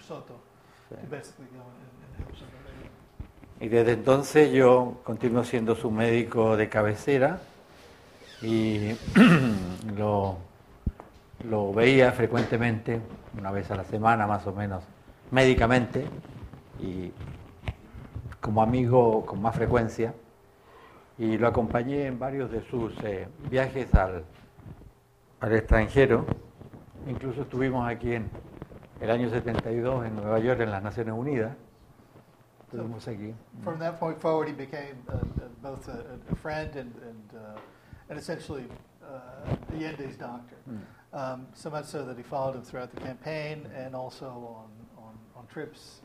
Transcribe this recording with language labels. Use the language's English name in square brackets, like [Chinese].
[English] Soto, sí, to basically go and help somebody. [Spanish] Y desde entonces yo continúo siendo su médico de cabecera. Y lo veía frecuentemente, una vez a la semana más o menos, médicamente, y como amigo con más frecuencia, y lo acompañé en varios de sus viajes al extranjero. Incluso estuvimos aquí en el año 72 en Nueva York, en las Naciones Unidas. Estuvimos aquí. [English] From that point forward he became both a friend and essentially Allende's doctor, so much so that he followed him throughout the campaign and also on trips.